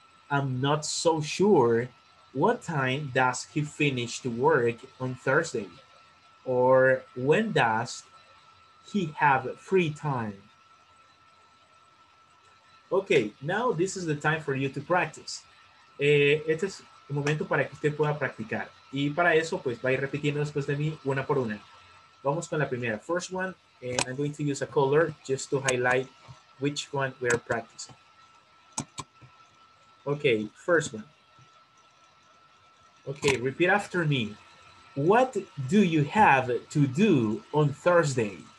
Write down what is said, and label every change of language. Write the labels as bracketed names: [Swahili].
[English] I'm not so sure. What time does he finish to work on Thursday? Or when does he have free time? Okay, now this is the time for you to practice. [Spanish] Este es el momento para que usted pueda practicar. Y para eso, pues, va a ir repitiendo después de mí una por una. Vamos con la primera. [English] First one, and I'm going to use a color just to highlight which one we are practicing. Okay, first one. Okay, repeat after me. What do you have to do on Thursday?